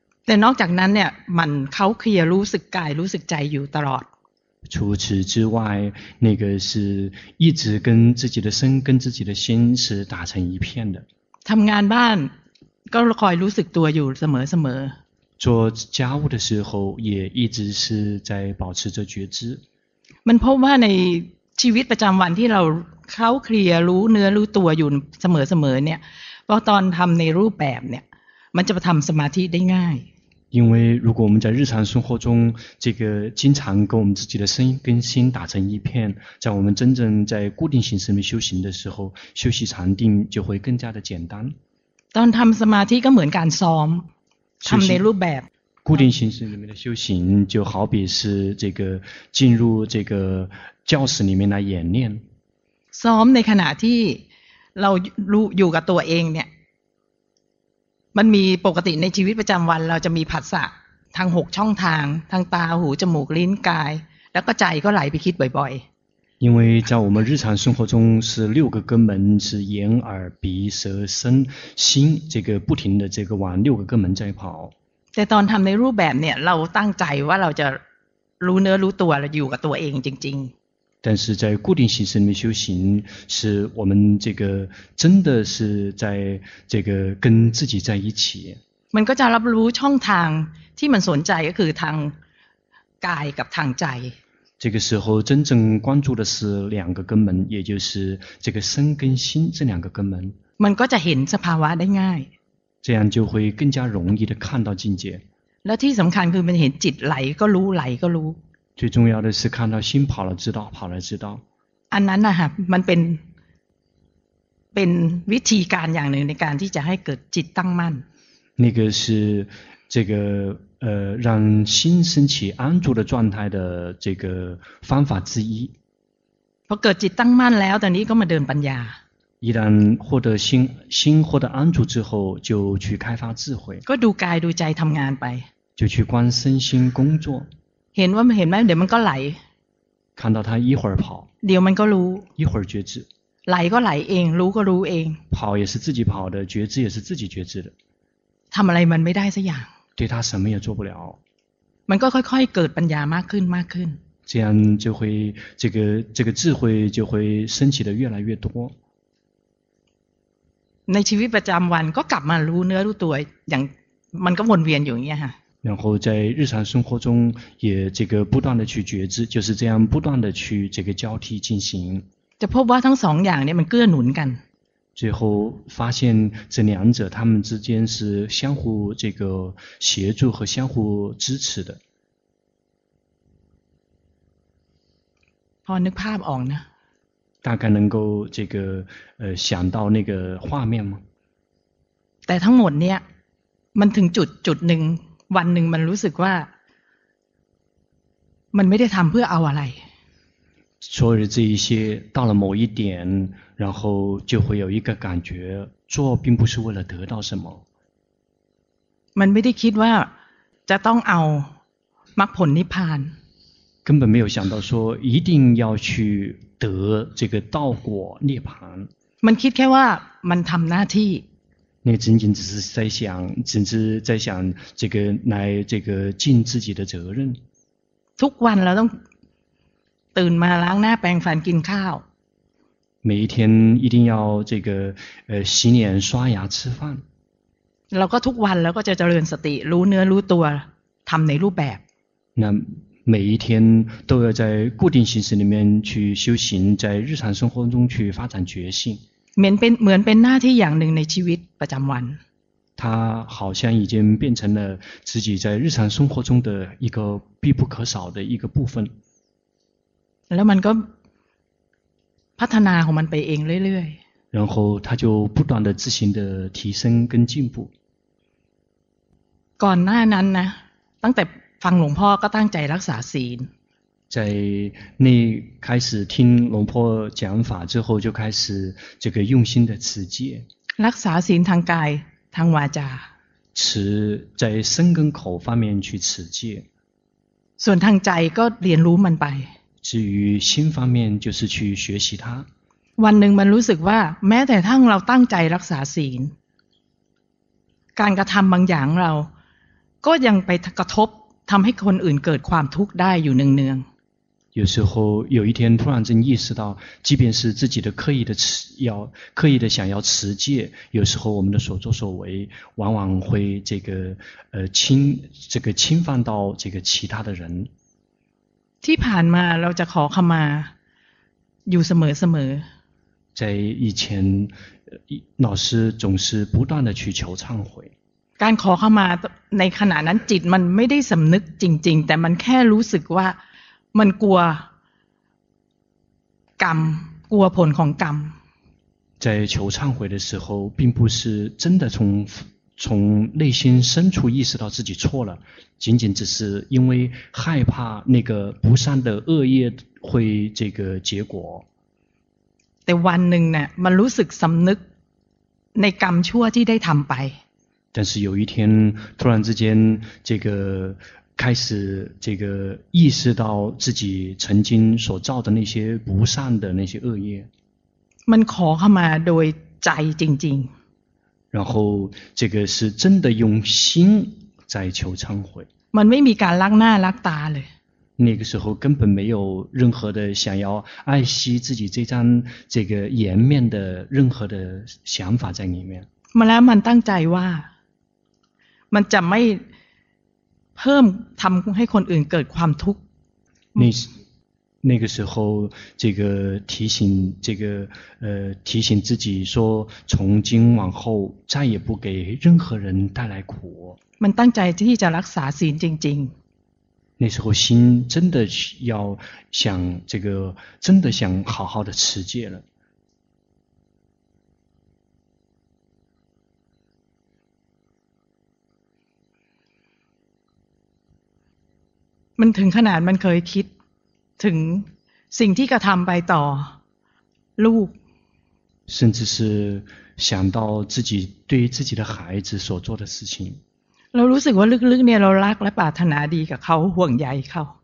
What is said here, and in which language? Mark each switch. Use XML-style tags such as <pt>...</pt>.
<th>แต่นอกจากนั้นเนี่ยมันเขาเคลียรู้สึกกายรู้สึกใจอยู่ตลอด</th> <zh>除此之外那个是一直跟自己的身跟自己的心是打成一片的</zh> <th>ทำงานบ้านก็คอยรู้สึกตัวอยู่เสมอ</th> <zh>做家务的时候也一直是在保持着觉知</zh> <th>มันพบว่าในชีวิตประจำวันที่เราเขาเคลียรู้เนื้อรู้ตัวอยู่เสมอเนี่ยพอตอนทำในรูปแบบเนี่ยมันจะทำสมาธิได้ง่าย</th> <zh>因为如果我们在日常生活中这个经常跟我们自己的身跟心打成一片在我们真正在固定形式里面修行的时候修习禅定就会更加的简单</zh> <th>ตอนทำสมาธิก็เหมือนการซ้อมทำในรูปแบบ</th> <zh>固定形式里面的修行就好比是这个进入这个教室里面来演练</zh> <th>ซ้อมในขณะที่เรารู้อยู่กับตัวเองเนี่ยมันมีปกติในชีวิตประจำวันเราจะมีผัสสะทาง6ช่องทางทางตาหูจมูกลิ้นกายแล้วก็ใจก็ไหลไปคิดบ่อย</th> <zh>ๆ因为在我们日常生活中是六个根门是眼耳鼻舌身心这个不停的这个往六个根门在跑</zh> <th>แต่ตอนทำในรูปแบบเนี่ยเราตั้งใจว่าเราจะรู้เนื้อรู้ตัวเราอยู่กับตัวเองจริงๆ</th> <zh>但是在固定形式里面修行是我们这个真的是在这个跟自己在一起</zh> <th>มันก็จะรับรู้ช่องทางที่มันสนใจก็คือทางกายกับทางใจ</th> <zh>这个时候真正关注的是两个根门也就是这个身跟心这两个根门</zh> <th>มันก็จะเห็นสภาวะได้ง่าย</th> <zh>这样就会更加容易的看到境界</zh> <th>แล้วที่สำคัญคือมันเห็นจิตไหลก็รู้ไหลก็รู้</th> <zh>最重要的是看到心跑了知道跑了知道</zh> <th>อันนั้นนะฮะมันเป็นวิธีการอย่างหนึ่งในการที่จะให้เกิดจิตตั้งมั่น</th> <zh>那个是这个让心升起安住的状态的这个方法之一</zh> <th>พอเกิดจิตตั้งมั่นแล้วตอนนี้ก็มาเดินปัญญา</th> <zh>一旦获得心获得安住之后就去开发智慧</zh> <th>ก็ดูกายดูใจทำงานไป</th> <zh>就去观身心工作</zh> <th>เห็นว่ามันเห็นไหมเดี๋ยวมันก็ไหล</th> <zh>看到他一会儿跑</zh> <th>เดี๋ยวมันก็รู้</th> <zh>一会儿觉知来过来</zh> <th>เอง รู้ก็รู้เอง</th> <zh>跑也是自己跑的觉知也是自己觉知的</zh> <th>ทำอะไรมันไม่ได้สักอย่าง</th> <zh>对他什么也做不了</zh> <th>มันก็ค่อยๆเกิดปัญญามากขึ้นมากขึ้น</th> <zh>这样就会这个智慧就会升起的越来越多</zh> <th>ในชีวิตประจำวันก็กลับมารู้เนื้อรู้ตัวอย่างมันก็วนเวียนอยู่อย่างเงี้ยค่ะ</th> <zh>然后在日常生活中也这个不断的去觉知就是这样不断的去这个交替进行</zh> <th>จะพบว่าทั้งสองอย่างเนี่ยมันเกื้อหนุนกัน</th> <zh>最后发现这两者他们之间是相互这个协助和相互支持的</zh> <th>พอนึกภาพออกนะ</th> <zh>大概能够这个想到那个画面吗</zh> <th>แต่ทั้งหมดเนี่ยมันถึงจุดหนึ่งวันหนึ่งมันรู้สึกว่ามันไม่ได้ทำเพื่อเอาอะไร</th> <zh>所以这一些到了某一点然后就会有一个感觉做并不是为了得到什么</zh> <th>มันไม่ได้คิดว่าจะต้องเอามรรคผลนิพพาน</th> <zh>根本没有想到说一定要去得这个道果涅槃</zh> <th>มันคิดแค่ว่ามันทำหน้าที่</th> <zh>那仅仅只是在想，甚至在想这个来这个尽自己的责任。</zh> <th>ทุกวันเราต้องตื่นมาล้างหน้าแปรงฟันกินข้าว。</th> <zh>每一天一定要这个洗脸刷牙吃饭。</zh> <th>เราก็ทุกวันเราก็จะเจริญสติรู้เนื้อรู้ตัวทำในรูปแบบ。</th> <zh>那每一天都要在固定形式里面去修行，在日常生活中去发展觉性。</zh> <th>เหมือนเป็นหน้าที่อย่างหนึ่งในชีวิตประจำวัน</th> <zh>它好像已经变成了自己在日常生活中的一个必不可少的一个部分</zh> <th>แล้วมันก็พัฒนาของมันไปเองเรื่อย</th> <zh>ๆ然后它就不断的自行的提升跟进步</zh> <th>ก่อนหน้านั้นนะตั้งแต่ฟังหลวงพ่อก็ตั้งใจรักษาศีล</th> <zh>在那开始听龙婆讲法之后就开始这个用心的持戒</zh> <th>รักษาศีลทางกายทางวาจา</th> <zh>持在身跟口方面去持戒</zh> <th>ส่วนทางใจก็เรียนรู้มันไป</th> <zh>至于心方面就是去学习它</zh> <th>วันหนึ่งมันรู้สึกว่าแม้แต่ทั้งเราตั้งใจรักษาศีลการกระทำบางอย่างเราก็ยังไปกระทบทำให้คนอื่นเกิดความทุกข์ได้อยู่เนือง</th> <zh>ๆ有时候有一天突然间意识到即便是自己的刻意的持要刻意的想要持戒有时候我们的所作所为往往会这个侵犯到这个其他的人</zh> <th>ที่ผ่านมาเราจะขอขมาอยู่เสมอ</th> <zh>ๆ在以前老师总是不断的去求忏悔</zh> <th>การขอเข้ามาในขณะนั้นจิตมันไม่ได้สำนึกจริงๆแต่มันแค่รู้สึกว่ามันกลัวกรรมกลัวผลของกรรม</th> <zh>在求忏悔的时候并不是真的从内心深处意识到自己错了仅仅只是因为害怕那个不善的恶业会这个结果</zh> <th>แต่วันหนึ่งเนี่ยมันรู้สึกสำนึกในกรรมชั่วที่ได้ทำไป แต่</th> <zh>是有一天突然之间这个开始这个意识到自己曾经所造的那些不善的那些恶业</zh> <th>มันขอเข้ามาโดยใจจริง</th> <zh>ๆ然后这个是真的用心在求忏悔</zh> <th>มันไม่มีการลักหน้าลักตาเลย</th> <zh>那个时候根本没有任何的想要爱惜自己这张这个颜面的任何的想法在里面</zh> <th>มาแล้วมันตั้งใจว่ามันจะไม่เพิ่มทำให้คนอื่นเกิดความทุกข์</th> <zh>那个时候这个提醒这个提醒自己说从今往后再也不给任何人带来苦</zh> <th>มันตั้งใจที่จะรักษาศีลจริง</th> <zh>ๆ那时候心真的要想这个真的想好好的持戒了</zh> <th>มันถึงขนาดมันเคยคิดถึงสิ่งที่กระทำไปต่อลูก</th> <zh>甚至是想到自己对自己的孩子所做的事情</zh> <th>เรารู้สึกว่าลึกๆเนี่ยเรารักและปรารถนาดีกับเขาห่วงใยเขา</th>